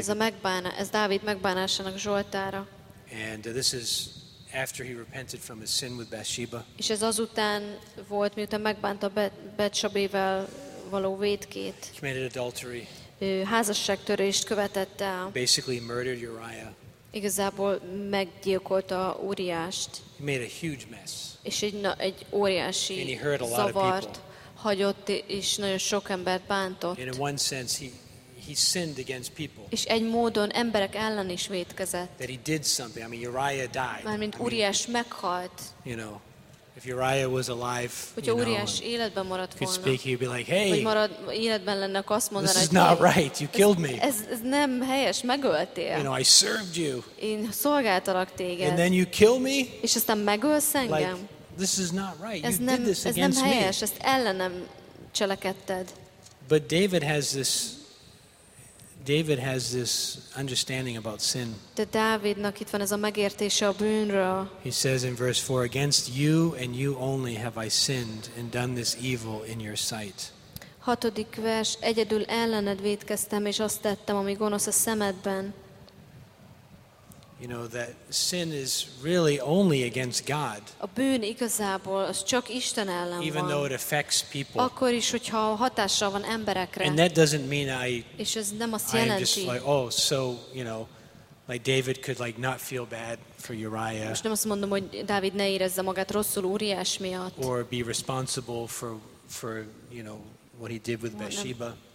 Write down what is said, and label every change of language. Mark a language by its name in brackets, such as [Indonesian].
[Hungarian] Ez a megbánás, ez Dávid megbánásának Zsoltára. [English] And this is after he repented from his sin with Bathsheba. [Hungarian] És ez azután volt, miután megbánta Bathsheba-val való vétkét. [English] He committed adultery. [Hungarian] Ő házasságtörést követett el. [English] Basically murdered Uriah. [Hungarian] Igazából meggyilkolta Úriást. [English] He made a huge mess. [Hungarian] És egy óriási zavart hagyott, és nagyon sok embert bántott. [English] And in one sense he sinned against people. [Hungarian] És egy módon emberek ellen is vétkezett. [English] That he did something. I mean, Uriah died. [Hungarian] Mármint Úriás meghalt. [English] You know, if Uriah was alive, [Hungarian] hogyha Úriás életben maradt volna, [English] he'd speak, he'd be like, hey, [Hungarian] életben lenne, akkor azt mondaná, [English] this is not right, you killed me. [Hungarian] Ez nem helyes, megöltél. [English] You know, I served you. [Hungarian] Én szolgáltalak téged. [English] And then you kill me? [Hungarian] És aztán megölsz engem? [English] Like, this is not right, you did this against [Hungarian] me. Ez nem helyes, [English] me. [Hungarian] Ezt ellenem cselekedted. [English] But David has this understanding about sin. [Hungarian] De Dávidnak itt van ez a megértése a bűnről. [English] He says in verse 4, against you and you only have I sinned and done this evil in your sight. [Hungarian] Hatodik vers, egyedül ellened vétkeztem és azt tettem, ami gonosz a szemedben. [English] You know that sin is really only against God. [Hungarian] A bűn igazából az csak Isten ellen van. [English] Even though it affects people. [Hungarian] Akkor is, hogyha hatással van emberekre. [English] And that doesn't mean I. [Hungarian] És ez nem azt jelenti. [English] I'm just like, oh, so you know, like David could like not feel bad for Uriah. [Hungarian] Most nem azt mondom, hogy Dávid ne érezze magát rosszul Úriás miatt. [English] Or be responsible for you know what he did with Bathsheba.